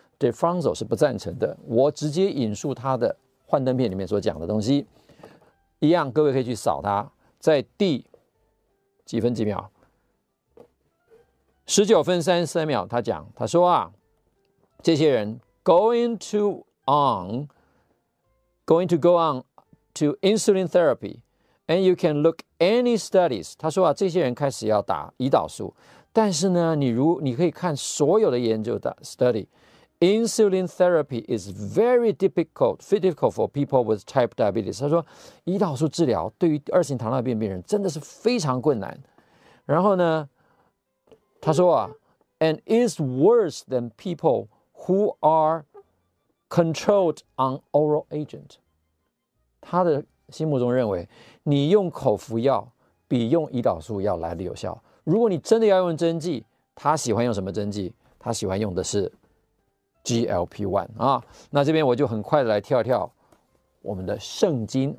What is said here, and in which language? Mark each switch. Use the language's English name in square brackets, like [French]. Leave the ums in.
[Chinese] 对 f r a n c 是不赞成的。我直接引述他的幻灯片里面所讲的东西，一样，各位可以去扫它，在第几分几秒，十九分三十三秒，他讲，他说啊，这些人 [English] going to on，going to go on to insulin therapy，and you can look any studies。 [Chinese] 他说啊，这些人开始要打胰岛素，但是呢，你如你可以看所有的研究的 study。 [English] Insulin therapy is very difficult, very difficult for people with type diabetes。 [Chinese] 他说，胰岛素治疗对于二型糖尿病病人真的是非常困难。然后呢，他说啊， [English] and is worse than people who are controlled on oral agent。 [Chinese] 他的心目中认为，你用口服药比用胰岛素要来的有效。如果你真的要用针剂，他喜欢用什么针剂？他喜欢用的是。 G L P One 啊，那这边我就很快的来跳跳我们的圣经。